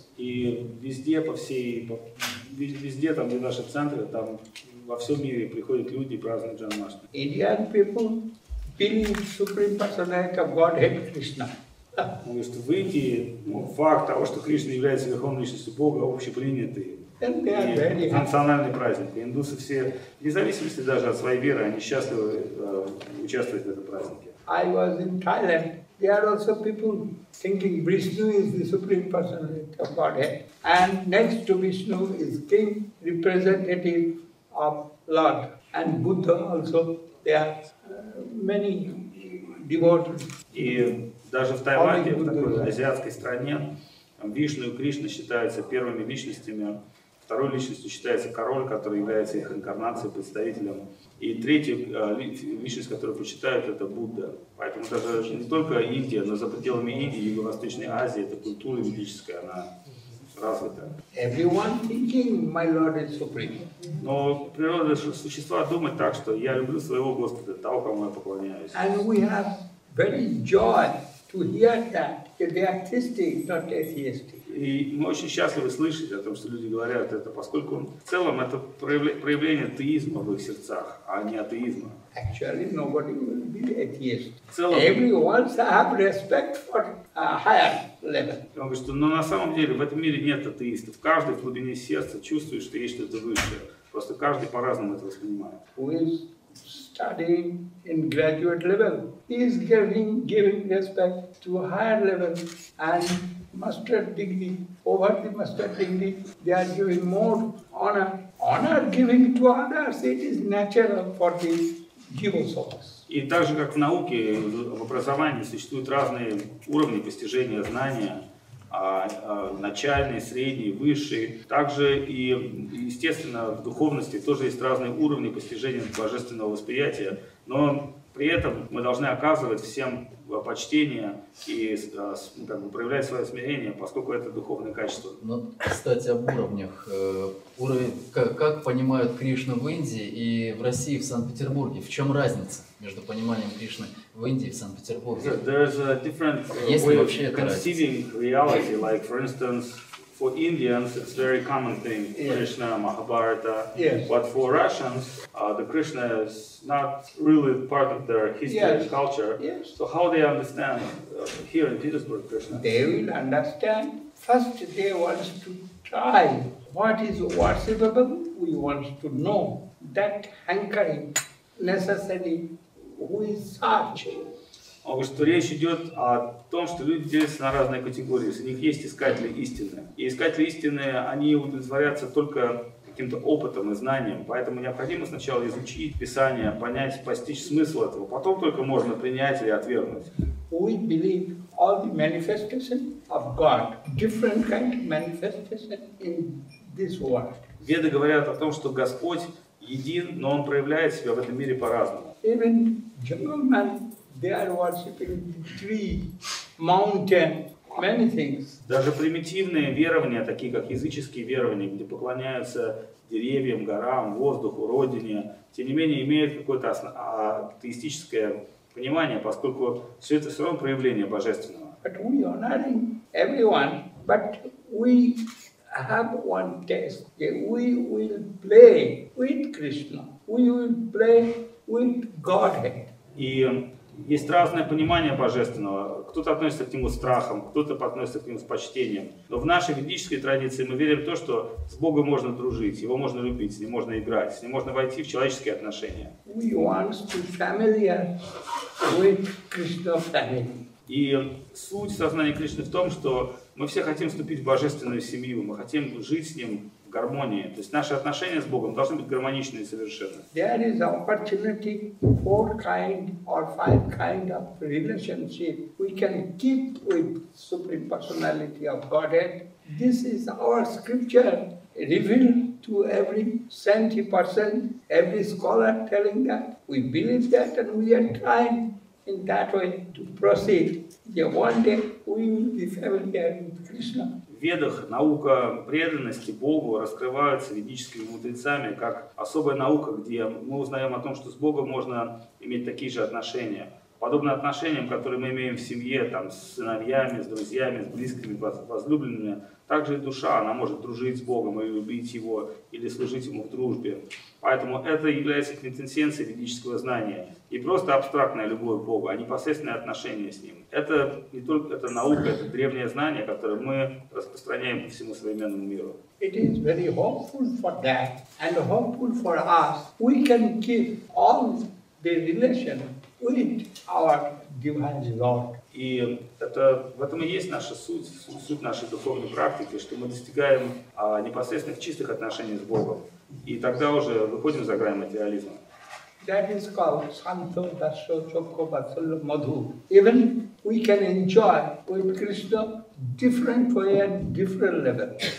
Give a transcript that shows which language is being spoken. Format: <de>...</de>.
<ru>И везде, по всей, везде там, где наши центры, там во всем мире приходят люди и празднуют Джанмаштами.</ru> <en>Indian people believe Supreme Personality of Godhead Krishna.</en> <ru>Он говорит, что в Индии факт того, что Кришна является Верховной Личностью Бога, общепринятый. И национальный праздник. И индусы все, вне зависимости даже от своей веры, они счастливы участвовать в этом празднике.</ru> <en>I was in Thailand. There are also people thinking Vishnu is the supreme personality of Godhead. And next to Vishnu is king, representative of Lord. And Buddha also. There are many devotees.</en> <ru>И даже в Таиланде, в такой азиатской стране, Вишну и Кришна считаются первыми личностями. Второй личностью считается король, который является их инкарнацией, представителем. И третья личность, которую почитают, это Будда. Поэтому даже не только Индия, но за пределами Индии, Юго-Восточной Азии, эта культура ведическая, она развита.</ru> <en>Everyone thinking my Lord is supreme.</en> <ru>Но природа существа думает так, что я люблю своего Господа, того, кому я поклоняюсь.</ru> <en>And we have very joy to hear that they are Christians, not atheists.</en> <ru>И мы очень счастливы слышать о том, что люди говорят это, поскольку в целом это проявление атеизма в их сердцах, а не атеизма.</ru> <en>Actually, nobody will be atheist.</en> <ru>В целом,</ru> <en>everyone have respect for a higher level.</en> <ru>Он говорит, что на самом деле в этом мире нет атеистов. Каждый в глубине сердца чувствует, что есть что-то высшее. Просто каждый по-разному это воспринимает.</ru> <en>Studying in graduate level, he is giving respect to a higher level and master degree, over the master degree, they are giving more honor. Honor giving to others, it is natural for the evil souls.</en> <ru>И так же, как в науке, в образовании существуют разные уровни постижения знания, начальные, средние, высшие. Также и, естественно, в духовности тоже есть разные уровни постижения божественного восприятия. Но при этом мы должны оказывать всем почтение и как бы, проявлять свое смирение, поскольку это духовное качество. Но, кстати, об уровнях. Как понимают Кришну в Индии и в России, в Санкт-Петербурге? В чем разница между пониманием Кришны в Индии и в Санкт-Петербурге?</ru> <en>There's a different way of conceiving reality. Like, for instance, for Indians, it's very common thing, Krishna, Mahabharata. Yes. But for Russians, the Krishna is not really part of their history and culture. Yes. So how they understand here in Petersburg Krishna? They will understand. First, they want to try what is worshipable. We want to know that hankering necessary. Who is such?</en> <ru>Что речь идет о том, что люди делятся на разные категории. У них есть искатели истины. И искатели истины, они удовлетворятся только каким-то опытом и знанием. Поэтому необходимо сначала изучить Писание, понять, постичь смысл этого. Потом только можно принять или отвергнуть.</ru> <en>We believe all the manifestation of God, different kind of manifestation in this world.</en> <ru>Веды говорят о том, что Господь един, но Он проявляет себя в этом мире по-разному.</ru> <en>Even jungle man. They are worshipping tree, mountain, many things.</en> <ru>Даже примитивные верования, такие как языческие верования, где поклоняются деревьям, горам, воздуху, родине, тем не менее имеют какое-то атеистическое понимание, поскольку все это все равно проявление божественного.</ru> <en>But we honoring everyone, but we have one test. We will play with Krishna. We will play with Godhead.</en> <ru>Есть разное понимание божественного. Кто-то относится к нему страхом, кто-то относится к нему с почтением. Но в нашей ведической традиции мы верим в то, что с Богом можно дружить, его можно любить, с ним можно играть, с ним можно войти в человеческие отношения.</ru> <en>We want to familiar with Krishna family.</en> <ru>И суть сознания Кришны в том, что мы все хотим вступить в божественную семью, мы хотим жить с ним в гармонии. То есть наши отношения с Богом должны быть гармоничны и совершенны.</ru> <en>There is opportunity four kind or five kind of relationship we can keep with Supreme Personality of Godhead. This is our scripture revealed to every saintly person, every scholar telling that. We believe that and we are trying in that way to proceed. Yeah, one day we will be familiar with Krishna.</en> <ru>В ведах наука преданности Богу раскрывается ведическими мудрецами как особая наука, где мы узнаем о том, что с Богом можно иметь такие же отношения. Подобно отношениям, которые мы имеем в семье, там, с сыновьями, с друзьями, с близкими, возлюбленными, также и душа, она может дружить с Богом и любить Его, или служить Ему в дружбе. Поэтому это является квинтэссенцией ведического знания. И просто абстрактная любовь к Богу, а непосредственное отношение с Ним. Это не только это наука, это древнее знание, которое мы распространяем по всему современному миру.</ru> <en>It is very hopeful for that, and hopeful for us. We can keep all the relation with our divine Lord.</en> <ru>И это, в этом и есть наша суть, суть нашей духовной практики, что мы достигаем непосредственных чистых отношений с Богом. И тогда уже выходим за грань материализма.</ru> <en>That is called Santo Dasho Chokho Vatsala Madhu. Even we can enjoy with Krishna different way and different level.</en>